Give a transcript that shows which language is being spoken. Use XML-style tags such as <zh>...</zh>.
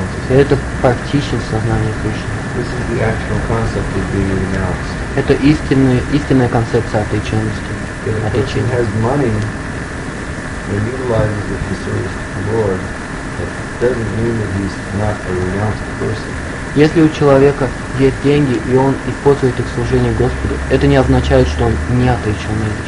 <ru>Это практичность сознания Кришны.</ru> <en>This is the actual concept of being renounced.</en> <ru>Это истинная концепция отреченности. Отречение.</ru> <en>Has money and utilizes it for service to the Lord, that doesn't mean that he's not a renounced person.</en> <ru>Если у человека есть деньги, и он использует их в служении Господу, это не означает, что он не отреченный</ru>